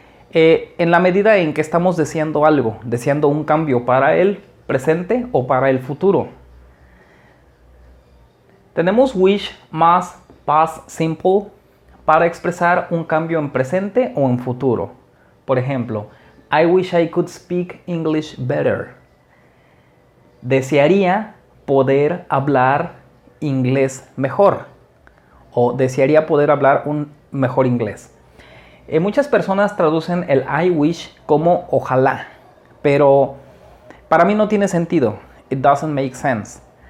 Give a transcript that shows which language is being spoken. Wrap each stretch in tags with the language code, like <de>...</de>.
<es>En la medida en que estamos deseando algo, deseando un cambio para el presente o para el futuro. Tenemos wish más past simple para expresar un cambio en presente o en futuro. Por ejemplo,</es> <en>I wish I could speak English better.</en> <es>Desearía poder hablar inglés mejor. O desearía poder hablar un mejor inglés. Muchas personas traducen el I wish como ojalá. Pero para mí no tiene sentido.</es> <en>It doesn't make sense.</en>